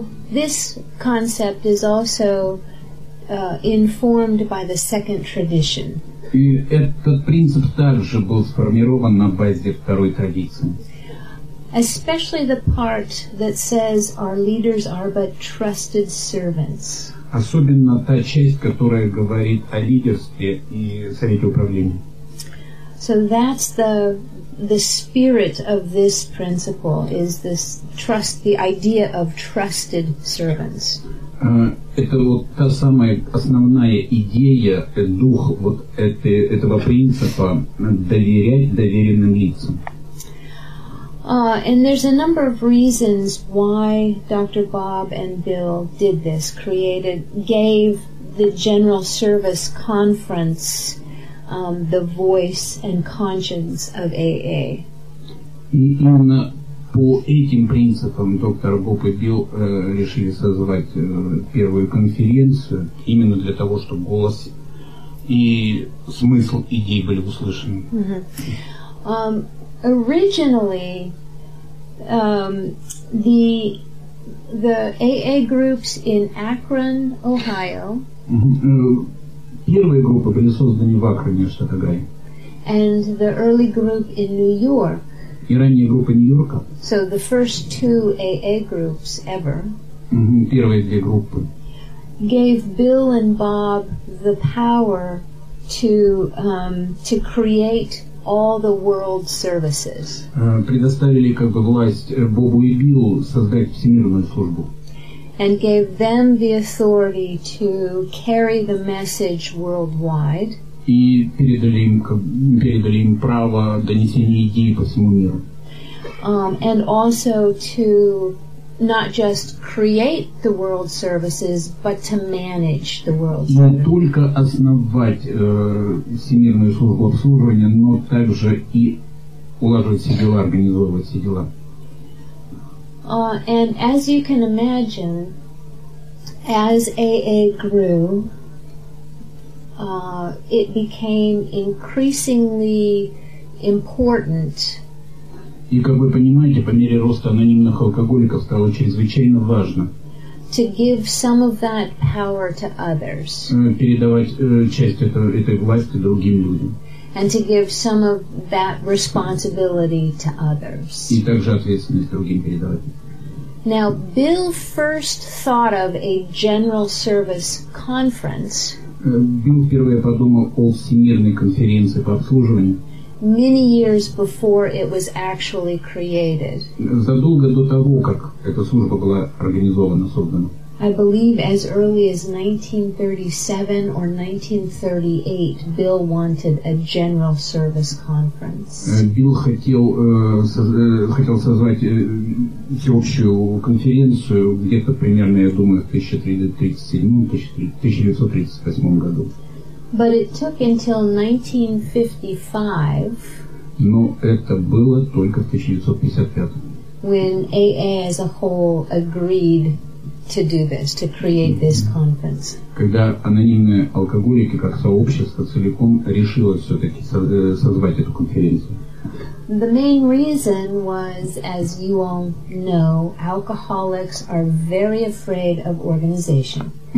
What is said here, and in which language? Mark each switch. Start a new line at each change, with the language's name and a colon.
English: This concept is also informed by the second tradition.
Russian: И этот принцип также был сформирован на базе второй традиции.
English: Especially the part that says our leaders are but trusted servants.
Russian: Особенно та часть, которая говорит о лидерстве и совете управления.
English: So that's the spirit of this principle is this trust, the idea of trusted servants.
Russian: Это вот та самая основная идея, дух вот этого принципа доверять доверенным лицам.
English: And there's a number of reasons why Dr. Bob and Bill did this, gave the General Service Conference the voice and conscience of AA.
Russian: И именно по этим принципам доктор Боб и Билл решили созвать первую конференцию именно для того, чтобы голос и смысл идей были услышаны. Mm-hmm.
English: Originally, the AA groups in Akron, Ohio.
Russian: Первые группы были созданы в Акроне, штат Огайо.
English: And the early group in New York.
Russian: И ранние группы Нью-Йорка.
English: So the first two AA groups ever.
Russian: Первые две группы.
English: Gave Bill and Bob the power to create all the world services.
Russian: Предоставили как бы власть Бобу и Биллу создать всемирную службу.
English: And gave them the authority to carry the message worldwide.
Russian: И передали им право донесения идеи по всему миру.
English: And also to not just create the world services, but to manage the world services.
Russian: Не только основать всемирную службу обслуживания, но также и улаживать все дела, организовывать все дела.
English: And as you can imagine, as AA grew, it became increasingly important.
Russian: И как вы понимаете, по мере роста анонимных алкоголиков стало чрезвычайно важно
English: to give some of that power to others.
Russian: Передавать часть этой власти другим людям.
English: And to give some of that responsibility to others.
Russian: И также ответственность другим передавать.
English: Now, Bill first thought of a general service conference.
Russian: Билл впервые подумал о всемирной конференции по обслуживанию.
English: Many years before it was actually created.
Russian: Задолго до того, как эта служба была организована, создана.
English: I believe as early as 1937 or 1938, Bill wanted a general service conference.
Russian: Билл хотел созвать всеобщую конференцию где-то примерно, я думаю, в 1937-1938 году.
English: But it took until 1955.
Russian: Но это было только в 1955.
English: When AA as a whole agreed to do this, to create this conference.
Russian: Когда анонимные алкоголики как сообщество целиком решило все-таки созвать эту конференцию.
English: The main reason was, as you all know, alcoholics are very afraid of organization.